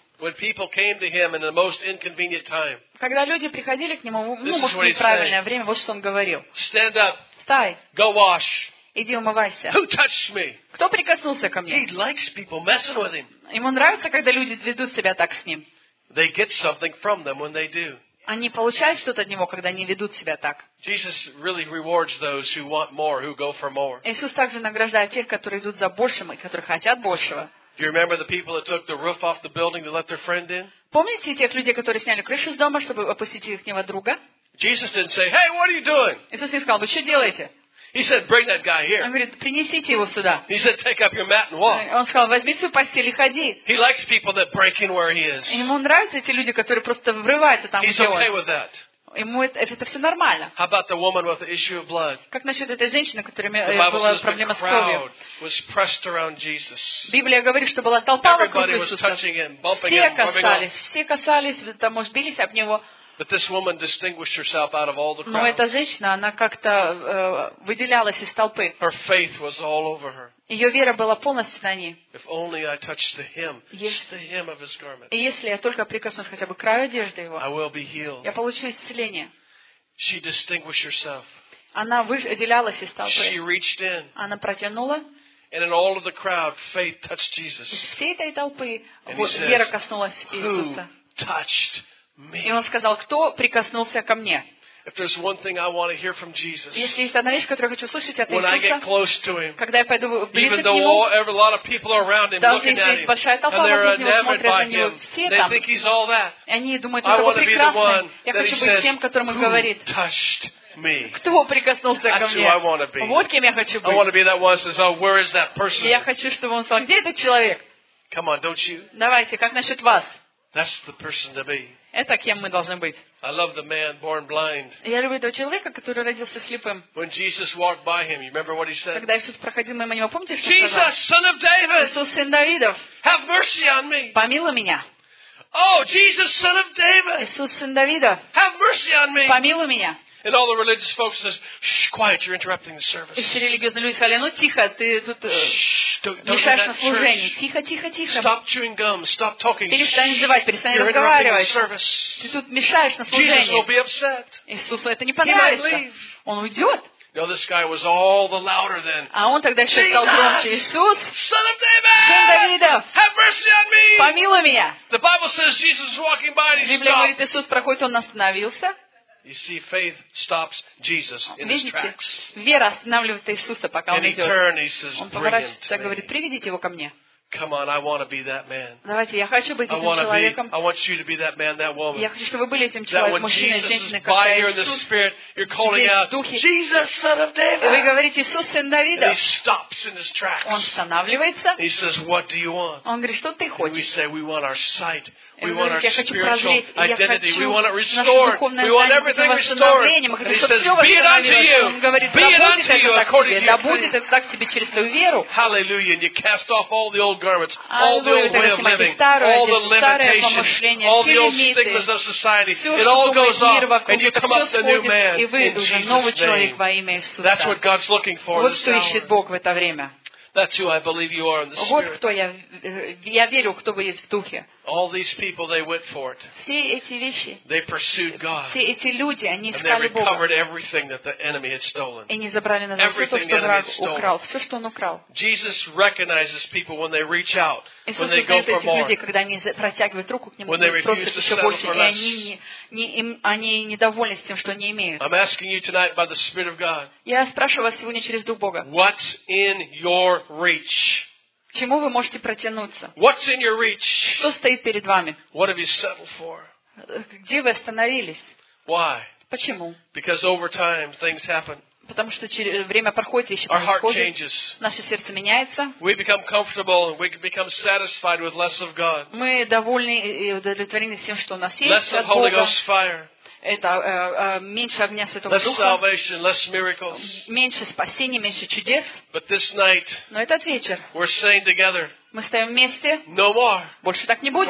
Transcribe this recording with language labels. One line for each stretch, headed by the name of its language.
English: When people came to him in the most inconvenient time.
Russian: Когда люди приходили к нему, может, в неправильное время, вот что он говорил.
English: Stand up.
Russian: Встай.
English: Go wash.
Russian: Иди умывайся.
English: Who touched me?
Russian: Кто прикоснулся ко мне?
English: He likes people messing with him.
Russian: Ему нравится, когда люди ведут себя так с ним.
English: They get something from them when they do.
Russian: Они получают что-то от него, когда они ведут себя так.
English: Jesus really rewards those who want more, who go for more.
Russian: Иисус также награждает тех, которые идут за большим и которые хотят большего.
English: Do you remember the people that took the roof off the building to let their friend in?
Russian: Помните тех людей, которые сняли крышу с дома, чтобы опустить их к нему друга?
English: Jesus didn't say, "Hey, what are you doing?"
Russian: Иисус не сказал: "Вы что делаете?"
English: He said, "Bring that guy here."
Russian: Он говорит: "Принесите его сюда."
English: He said, "Take up your mat and walk."
Russian: Он сказал: "Возьми свою постель и ходи."
English: He likes people that break in where he is.
Russian: Ему нравятся эти люди, которые просто врываются там, где он.
English: He's okay with that.
Russian: Ему это все нормально.
English: How about the woman with the issue of blood?
Russian: Как насчет этой женщины, которой была проблема с кровью?
English: The Bible says the crowd was pressed around Jesus.
Russian: Библия говорит, что была толпа вокруг Иисуса.
English: Everybody was touching him, bumping him, rubbing him.
Russian: Все касались, там уж бились об него.
English: But this woman distinguished herself out of all the crowd.
Russian: Но эта женщина, она как-то выделялась из толпы.
English: Her faith was all over her.
Russian: Её вера была полностью на ней.
English: If only I touched the hem, just the hem of his garment.
Russian: И если я только прикоснусь хотя бы к краю одежды его,
English: I will be healed.
Russian: Я получу исцеление.
English: She distinguished herself.
Russian: Она выделялась из толпы.
English: She reached in.
Russian: Она протянула.
English: And in all of the crowd, faith touched Jesus.
Russian: Всей толпы вера коснулась Иисуса.
English: Touched me.
Russian: И он сказал, кто прикоснулся ко мне?
English: If there's one thing I want to hear from Jesus,
Russian: если есть одна вещь, которую хочу услышать от
English: Иисуса, when I get close to him,
Russian: когда я пойду ближе к нему,
English: even though a lot of people are around him looking at him,
Russian: даже если большая толпа вокруг него смотрит на него, все там,
English: they think he's all that.
Russian: Они думают, что он прекрасный. Я хочу быть тем, которому говорит.
English: Touched me.
Russian: Кто прикоснулся ко мне? Вот кем я хочу быть.
English: I want to be that one says, oh, where is that person?
Russian: Я хочу, чтобы он сказал, где этот человек?
English: Come on, don't you?
Russian: Давайте, как насчет вас?
English: That's the person to be.
Russian: Это кем мы должны быть.
English: I love the man born blind.
Russian: Я люблю этого человека, который родился слепым.
English: When Jesus walked by him, you remember what he said?
Russian: Когда Иисус проходил мимо него, помните, что
English: Jesus,
Russian: сказал?
English: Son of David.
Russian: Иисус, сын Давидов.
English: Have mercy on me.
Russian: Помилуй меня.
English: Oh, Jesus, son of David.
Russian: Иисус, сын Давидов.
English: Have mercy on me.
Russian: Помилуй меня.
English: And all the religious folks says, "Shh, quiet! You're interrupting the service."
Russian: Все религиозные люди сказали: "Ну тихо, ты тут мешаешь на служении. Тихо, тихо, тихо.
English: Stop chewing gum. Stop talking.
Russian: Перестань жевать, перестань разговаривать. Ты тут мешаешь на служении.
English: Jesus will be upset.
Russian: Иисусу это не понравится. Он уйдет.
English: No, this guy was all the louder then.
Russian: А он тогда еще стал громче. Иисус,
English: Son of David,
Russian: Сын Давидов,
English: have mercy on me.
Russian: Помилуй меня.
English: The Bible says Jesus is walking by and he stopped.
Russian: Библия говорит, Иисус проходит, он остановился.
English: You see, faith stops Jesus in his tracks.
Russian: Вера останавливает Иисуса, пока он идет. Он поворачивается и говорит: «Приведите его ко мне».
English: Come on, I want to be that man.
Russian: Давайте, я хочу быть этим человеком.
English: I want you to be that man, that woman.
Russian: Я хочу, чтобы вы были этим человеком, мужчиной, женщиной, когда Иисус.
English: By your spirit, you're calling out, Jesus, Son of David.
Russian: Вы говорите, Иисус, сын Давида.
English: And he stops in his tracks.
Russian: Он останавливается.
English: He says, What do you want?
Russian: Он говорит, что ты хочешь?
English: And we say, we want our sight. We want our spiritual identity. We want it restored. We want everything restored. And he says, be it unto you. Be it unto you according to your faith. Hallelujah. And you cast off all the old garments, all the old way of living, all the limitations, all the old stigmas of society. It all goes off and you come up the new man in Jesus' name. That's what God's looking for in this hour. That's who I believe you are in the Spirit.
Russian: Вот кто я верю, кто вы есть в духе.
English: All these people, they went for it.
Russian: Все эти вещи.
English: They pursued God.
Russian: Все эти люди, они искали Бога. And they recovered everything that the enemy had stolen. И не забрали назад все то, что враг украл. Все, что он украл.
English: Jesus recognizes people when they reach out, when they go for more.
Russian: Иисус знает людей, когда они протягивают руку к нему, просят еще больше, и они недовольны тем, что не имеют.
English: I'm asking you tonight by the Spirit of God.
Russian: Я спрашиваю вас сегодня через дух Бога.
English: What's in your reach?
Russian: Чему вы можете протянуться?
English: What's in your reach?
Russian: Что стоит перед вами?
English: What have you settled for?
Russian: Где вы остановились?
English: Why?
Russian: Почему?
English: Because over time things happen.
Russian: Потому что время проходит, вещи происходят. Наше сердце меняется.
English: We become comfortable and we become satisfied with less of God.
Russian: Мы довольны и удовлетворены тем, что у нас есть.
English: Less of Holy Ghost fire.
Russian: Это меньше огня Святого
English: less
Russian: Духа,
English: salvation, less miracles.
Russian: Меньше спасения, меньше чудес.
English: But this night,
Russian: но этот вечер
English: we're staying together.
Russian: Мы стоим вместе.
English: No more.
Russian: Больше так не будет.